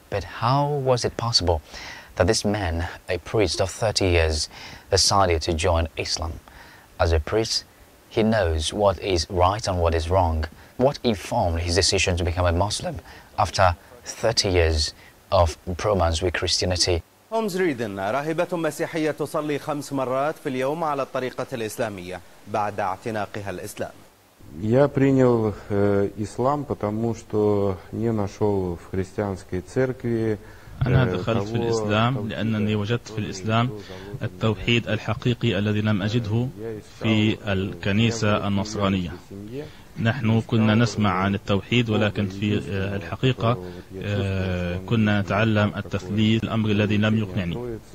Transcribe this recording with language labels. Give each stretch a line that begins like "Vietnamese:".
English: But how was it possible that this man, a priest of 30 years, decided to join Islam? As a priest, he knows what is right and what is wrong. What informed his decision to become a Muslim after 30 years of bromance with Christianity?
Arabic: Holmes Reading, راهبة مسيحية تصلي خمس مرات في اليوم على الطريقة الإسلامية بعد اعتناقها الإسلام.
Russian: Я принял ислам, потому что не нашел в христианской церкви.
Arabic: أنا دخلت في الإسلام لأنني وجدت في الإسلام التوحيد الحقيقي الذي لم أجده في الكنيسة النصرانية. نحن كنا نسمع عن التوحيد ولكن في الحقيقة كنا نتعلم التثليث الأمر الذي لم يقنعني.